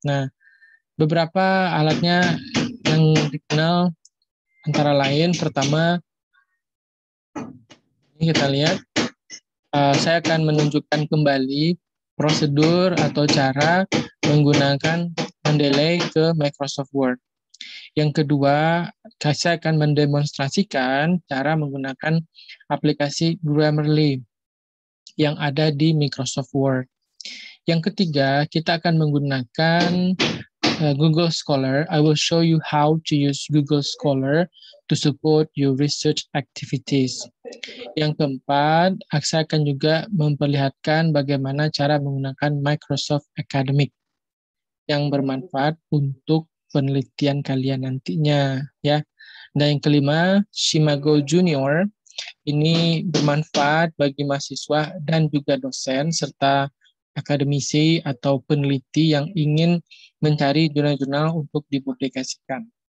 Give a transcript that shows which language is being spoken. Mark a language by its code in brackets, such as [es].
[id] Nah, beberapa alatnya yang dikenal antara lain pertama kita lihat, saya akan menunjukkan kembali prosedur atau cara menggunakan Mendeley ke Microsoft Word. Yang kedua, saya akan mendemonstrasikan cara menggunakan aplikasi Grammarly yang ada di Microsoft Word. Yang ketiga, kita akan menggunakan Google Scholar. [en] I will show you how to use Google Scholar to support your research activities. [id] Yang keempat, saya akan juga memperlihatkan bagaimana cara menggunakan Microsoft Academic yang bermanfaat untuk penelitian kalian nantinya, ya. Dan yang kelima, Shimago Junior ini bermanfaat bagi mahasiswa dan juga dosen serta akademisi atau peneliti yang ingin mencari jurnal-jurnal untuk dipublikasikan.